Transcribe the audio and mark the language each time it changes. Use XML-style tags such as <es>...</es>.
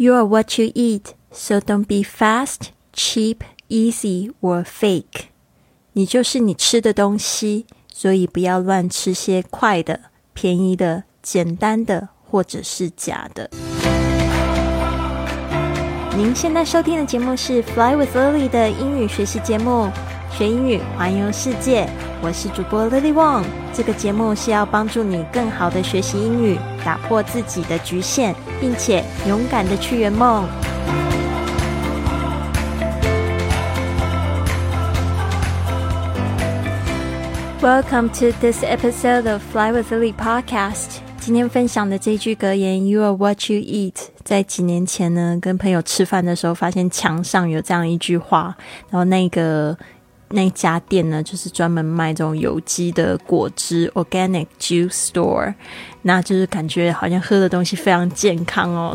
<en>You are what you eat, so don't be fast, cheap, easy, or fake.</en> <zh>你就是你吃的东西，所以不要乱吃些快的、便宜的、简单的，或者是假的。您现在收听的节目是 Fly with Lily 的英语学习节目，学英语，环游世界。我是主播 Lily Wong， 这个节目是要帮助你更好的学习英语，打破自己的局限，并且勇敢的去圆梦。</zh> <en>Welcome to this episode of Fly with Lily podcast.</en> <zh>今天分享的这句格言</zh> <en>You are what you eat，</en> <zh>在几年前呢，跟朋友吃饭的时候发现墙上有这样一句话，然后那家店呢，就是专门卖这种有机的果汁</zh> <en>Organic Juice Store，</en> <zh>那就是感觉好像喝的东西非常健康哦。</zh>